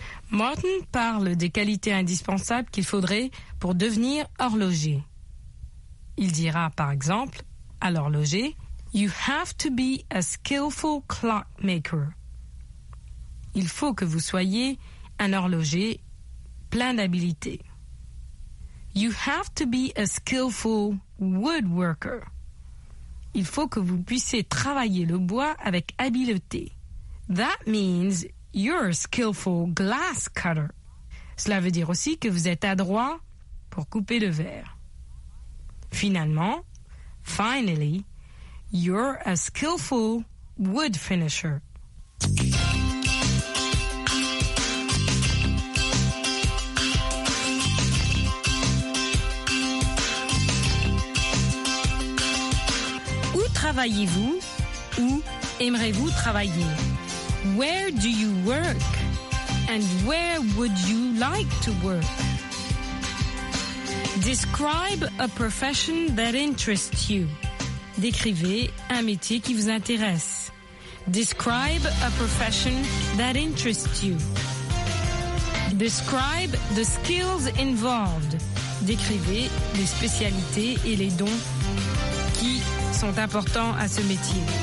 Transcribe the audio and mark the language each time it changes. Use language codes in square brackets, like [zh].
[fr] Martin parle des qualités indispensables qu'il faudrait pour devenir horloger. Il dira, par exemple, à l'horloger, [en] you have to be a skillful clockmaker. [fr] Il faut que vous soyez un horloger plein d'habileté. [en] You have to be a skillful woodworker. [fr] Il faut que vous puissiez travailler le bois avec habileté. [en] That means you're a skillful glass cutter. [fr] Cela veut dire aussi que vous êtes adroit pour couper le verre. Finalement, [en] finally, you're a skillful wood finisher. [fr] Où travaillez-vous? Où aimerez-vous travailler? [en] Where do you work? And where would you like to work? Describe a profession that interests you. [fr] Décrivez un métier qui vous intéresse. [en] Describe a profession that interests you. Describe the skills involved. [fr] Décrivez les spécialités et les dons qui sont importants à ce métier.